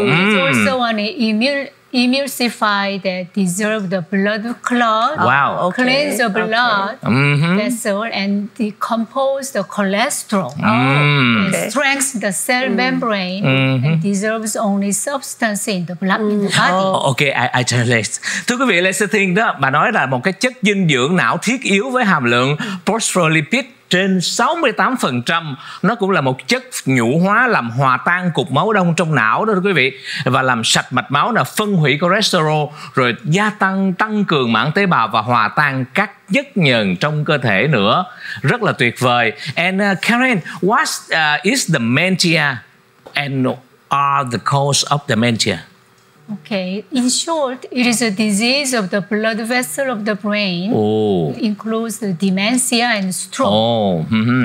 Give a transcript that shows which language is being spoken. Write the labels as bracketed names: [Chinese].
[English] It's also an emulsify that dissolve the blood clot. Wow. Okay. Cleanse the blood vessel and decompose the cholesterol. Strengthen the cell membrane and dissolves only substance in the blood in the body. Okay, I translate. [Vietnamese] Thưa quý vị, lecithin đó, bà nói là một cái chất dinh dưỡng não thiết yếu với hàm lượng phospholipid trên 68%. Nó cũng là một chất nhũ hóa làm hòa tan cục máu đông trong não đó quý vị, và làm sạch mạch máu, là phân hủy cholesterol, rồi gia tăng tăng cường mảng tế bào và hòa tan các chất nhờn trong cơ thể nữa. Rất là tuyệt vời. [English] And Karen, what is the dementia and are the cause of dementia? Okay, in short, it is a disease of the blood vessel of the brain. Oh. Includes the dementia and stroke. Oh. Mm-hmm.